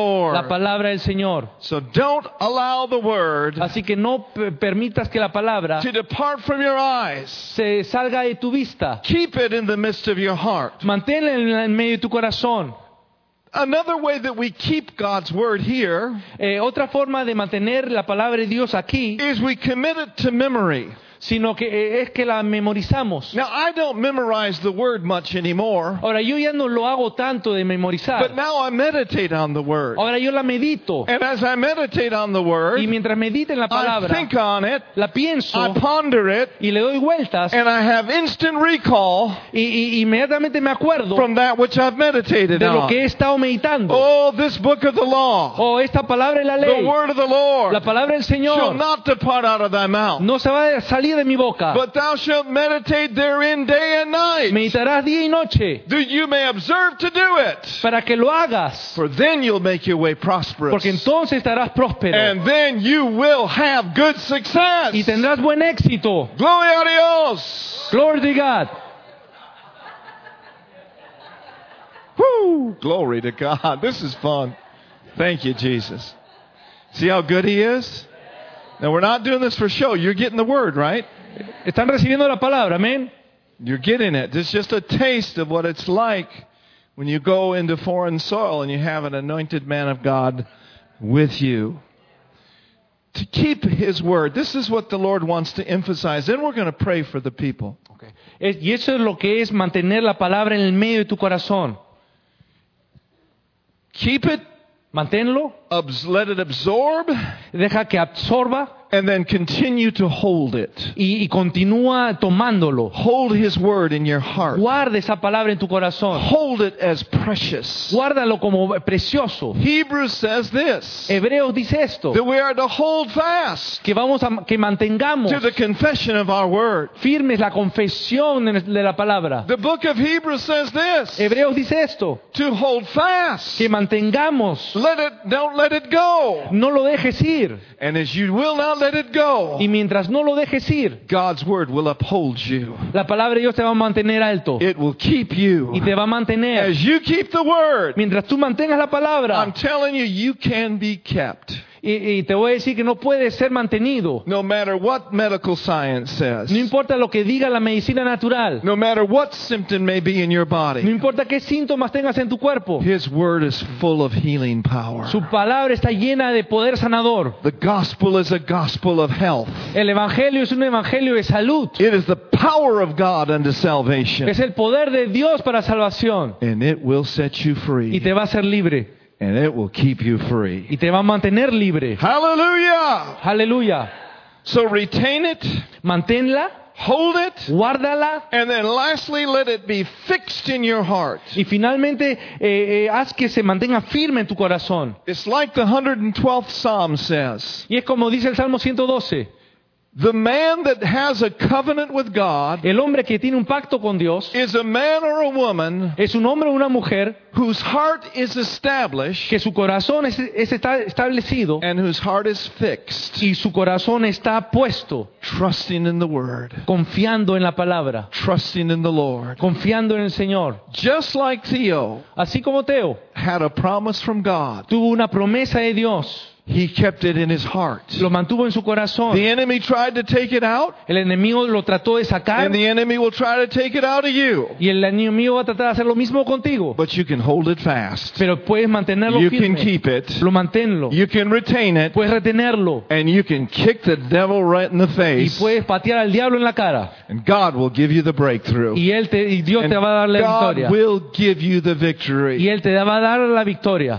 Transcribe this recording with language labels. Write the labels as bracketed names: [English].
[Spanish] La palabra del Señor. [English] So don't allow the word. [Spanish] Así que no permitas que la palabra [English] to depart from your eyes. [Spanish] Se salga de tu vista. [English] Keep it in the midst of your heart. [Spanish] Manténla en medio de tu corazón. [English] Another way that we keep God's word here. [Spanish] Otra forma de mantener la palabra de Dios aquí. [English] Is we commit it to memory. [Spanish] Sino que es que la memorizamos. [English] Now, I don't memorize the word much anymore. [Spanish] Ahora yo ya no lo hago tanto de memorizar. [English] But now I meditate on the word. [Spanish] Ahora yo la medito. [English] And as I meditate on the word, [Spanish] y mientras medito en la palabra, [English] I think on it, [Spanish] la pienso, [English] I ponder it, [Spanish] y le doy vueltas, [English] and I have instant recall, [Spanish] y inmediatamente me acuerdo, [English] from that which I've meditated [Spanish] de lo [English] on. [Spanish] Que he estado meditando. [English] Oh, this book of the law. [Spanish] Oh, esta palabra de la ley. [English] The word of the Lord. [Spanish] La palabra del Señor. [English] Shall not depart out of thy mouth. [Spanish] No se va a salir de mi boca. [English] But thou shalt meditate therein day and night. [Spanish] Meditarás día y noche. [English] That you may observe to do it. [Spanish] Para que lo hagas. [English] For then you'll make your way prosperous. [Spanish] Porque entonces estarás próspero. [English] And then you will have good success. [Spanish] Y tendrás buen éxito. Glory a Dios. [English] Glory to God. Woo! Glory to God. This is fun. Thank you, Jesus. See how good he is? Now we're not doing this for show. You're getting the word, right? [Spanish] Están recibiendo la palabra, amen. [English] You're getting it. This is just a taste of what it's like when you go into foreign soil and you have an anointed man of God with you. To keep his word. This is what the Lord wants to emphasize. Then we're going to pray for the people. Okay. [Spanish] Y eso es lo que es mantener la palabra en el medio de tu corazón. [English] Keep it. [Spanish] Manténlo. [English] Let it absorb. [Spanish] Deja que absorba. [English] And then continue to hold it. [Spanish] Y continúa tomándolo. [English] Hold his word in your heart. [Spanish] Guarda esa palabra en tu corazón. [English] Hold it as precious. [Spanish] Guárdalo como precioso. [English] Hebrews says this. [Spanish] Hebreos dice esto. [English] That we are to hold fast. [Spanish] Que vamos a que mantengamos. [English] To the confession of our word. [Spanish] Firmes la confesión de la palabra. [English] The book of Hebrews says this. [Spanish] Hebreos dice esto. [English] To hold fast. [Spanish] Que mantengamos. [English] Don't let it go. [Spanish] No lo dejes ir. [English] And as you will not let it go. [Spanish] Y mientras no lo dejes ir. [English] God's word will uphold you. [Spanish] La palabra de Dios te va a mantener alto. [English] It will keep you. [Spanish] Y te va a mantener. [English] As you keep the word. [Spanish] Mientras tú mantengas la palabra. [English] I'm telling you, you can be kept. [Spanish] Y te voy a decir que no puede ser mantenido. [English] No matter what medical science says. [Spanish] No importa lo que diga la medicina natural. [English] No matter what symptom may be in your body. [Spanish] No importa qué síntomas tengas en tu cuerpo. [English] His word is full of healing power. [Spanish] Su palabra está llena de poder sanador. [English] The gospel is a gospel of health. [Spanish] El evangelio es un evangelio de salud. [English] It is the power of God unto salvation. [Spanish] Es el poder de Dios para salvación. [English] And it will set you free. [Spanish] Y te va a hacer libre. [English] And it will keep you free. [Spanish] Y te va a mantener libre. [English] Hallelujah. [Spanish] Hallelujah. [English] So retain it. [Spanish] Manténla. [English] Hold it. [Spanish] Guárdala. [English] And then lastly, let it be fixed in your heart. [Spanish] Y finalmente, haz que se mantenga firme en tu corazón. [English] It's like the 112th Psalm says. [Spanish] Y es como dice el Salmo 112. [English] The man that has a covenant with God, [Spanish] el hombre que tiene un pacto con Dios, [English] is a man or a woman, [Spanish] es un hombre o una mujer, [English] whose heart is established, [Spanish] que su corazón está establecido, [English] and whose heart is fixed, [Spanish] y su corazón está puesto, [English] trusting in the word, [Spanish] confiando en la palabra, [English] trusting in the Lord, [Spanish] confiando en el Señor, [English] just like Theo, [Spanish] así como Theo, [English] had a promise from God, [Spanish] tuvo una promesa de Dios. [English] He kept it in his heart. [Spanish] Lo mantuvo en su corazón. [English] The enemy tried to take it out. [Spanish] El enemigo lo trató de sacar. [English] And the enemy will try to take it out of you. [Spanish] Y el enemigo va a tratar de hacer lo mismo contigo. [English] But you can hold it fast. [Spanish] Pero puedes mantenerlo [English] you [Spanish] firme. [English] Can keep it. [Spanish] Lo manténlo. [English] You can retain it. [Spanish] Puedes retenerlo. [English] And you can kick the devil right in the face. [Spanish] Y puedes patear al diablo en la cara. [English] And God will give you the breakthrough. [Spanish] Y él te, y Dios [English] and [Spanish] te va a dar la [English] God [Spanish] victoria. [English] God will give you the victory. [Spanish] Y él te va a dar la victoria.